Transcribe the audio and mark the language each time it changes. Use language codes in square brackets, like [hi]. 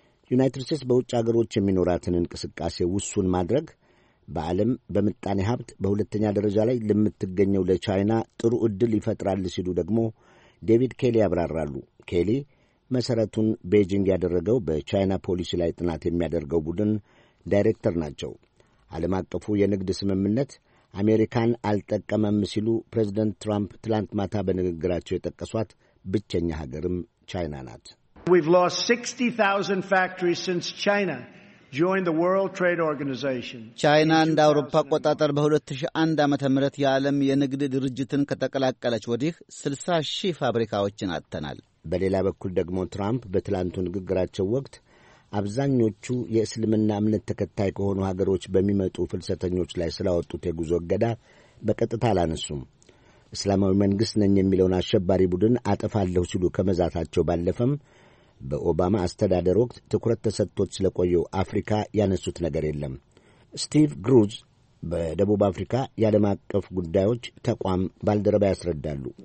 [am] ዩናይትድ ስቴትስ በውጭ አገሮች የሚኖራትን እንቅስቃሴ ውሱን ማድረግ በዓለም በመጣኔ ሀብት በሁለተኛ ደረጃ ላይ ለምትገኘው ለቻይና ጥሩ ዕድል ይፈጥራል ሲሉ ደግሞ ዴቪድ ኬሊ ያብራራሉ። ኬሊ መሰረቱን ቤጂንግ ያደረገው በቻይና ፖሊሲ ላይ ጥናት የሚያደርገው ቡድን ዳይሬክተር ናቸው። ዓለም አቀፉ የንግድ ስምምነት አሜሪካን አልጠቀመም ሲሉ ፕሬዚደንት ትራምፕ ትላንት ማታ በንግግራቸው የጠቀሷት ብቸኛ ሀገርም ቻይና ናት። [en] We've lost 60,000 factories since China joined the World Trade Organization. [am] ቻይና እንደ አውሮፓ አቆጣጠር በ2001 ዓመተ ምህረት የዓለም የንግድ ድርጅትን ከተቀላቀለች ወዲህ 60 ሺህ ፋብሪካዎችን አጥተናል። በሌላ በኩል ደግሞ ትራምፕ በትላንቱ ንግግራቸው ወቅት አብዛኞቹ የእስልምና እምነት ተከታይ ከሆኑ ሀገሮች በሚመጡ ፍልሰተኞች ላይ ስላወጡት የጉዞ እገዳ በቀጥታ አላነሱም። እስላማዊ መንግሥት ነኝ የሚለውን አሸባሪ ቡድን አጠፋለሁ ሲሉ ከመዛታቸው ባለፈም በኦባማ አስተዳደር ወቅት ትኩረት ተሰጥቶት ስለቆየው አፍሪካ ያነሱት ነገር የለም። ስቲቭ ግሩዝ በደቡብ አፍሪካ የዓለም አቀፍ ጉዳዮች ተቋም ባልደረባ ያስረዳሉ።